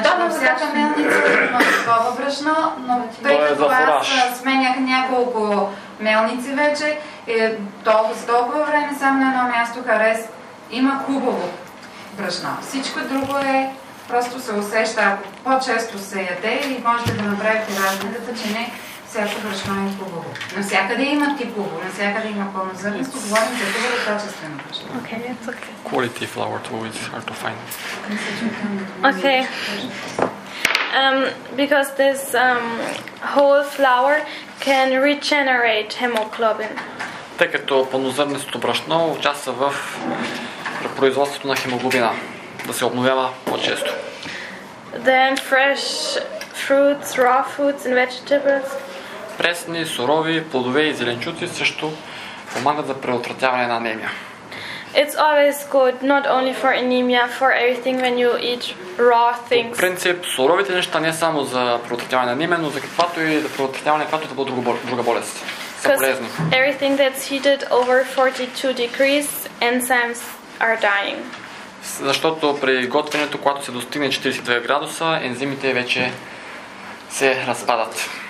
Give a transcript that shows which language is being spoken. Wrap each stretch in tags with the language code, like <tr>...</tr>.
<bg>Да, но всяка мелница има такова брашна. Но тъй като аз сменях няколко мелници вече, толкова време само на едно място харес. Има хубаво брашна. Всичко друго е... Просто се усеща, ако по-често се яде и можете да направите разликата, че не всяко брашно е хубаво. Навсякъде има типово, навсякъде има пълнозърнисто, говорим за хубаво и качествено брашно.</bg> <en>Окей, it's okay. Quality flour too is hard to find. Okay. Because this whole flour can regenerate hemoglobin.</en> <bg>Тъй като пълнозърнисто брашно участва в производството на хемоглобина. Да се обновява по-често.</bg> <en>Then fresh fruits, raw foods and vegetables.</en> <bg>Пресни, сурови, плодове и зеленчуци също помагат за предотвратяване на анемия.</bg> <en>It's always good, not only for anemia, for everything when you eat raw things.</en> <bg>По принцип, суровите неща не само за предотвратяване на анемия, но за каквато и за предотвратяване каквато да бъде друга болест. Са полезни.</bg> <en>Because everything that's heated over 42 degrees, enzymes are dying.</en> <bg>Защото при готвенето, когато се достигне 42 градуса, ензимите вече се разпадат.</bg>